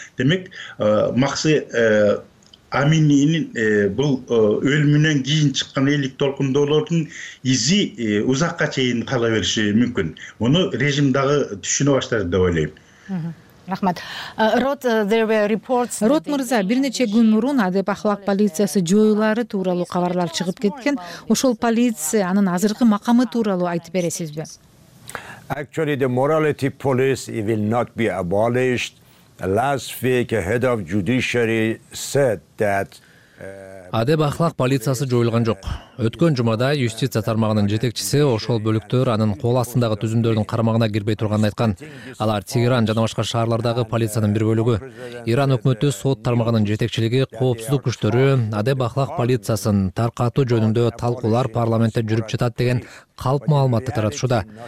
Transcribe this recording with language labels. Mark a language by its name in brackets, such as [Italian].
[Kyrgyz] Демек Максы Амининин бул өлүмүнөн кийин чыккан элдик толкундоолордун изи узакка чейин кала бериши мүмкүн. Муну режим дагы түшүнө баштады деп ойлойм. Рахмат. Рот мырза, бир нече күн мурун адеп ахлак полициясы жоюлары тууралуу кабарлар чыгып кеткен. Ошол полиция анын азыркы макамы тууралуу айтып бересизби? [English] Actually, the morality police will not be abolished. Last week, a head of judiciary said that [Kyrgyz] Адеп ахлак полициясы жоюлган жок. Өткөн жумада юстиция тармагынын жетекчиси ошол бөлүктөр анын кол астындагы түзүмдөрдүн кармагына кирбей турганын айткан. Алар Тегеран жана башка шаарлардагы полициянын бир бөлүгү. Иран өкмөтү сот тармагынын жетекчилиги, коопсуздук күчтөрү адеп ахлак полициясын таркатуу жөнүндө талкуулар парламентте жүрүп жатат деген калп маалыматты таратышууда.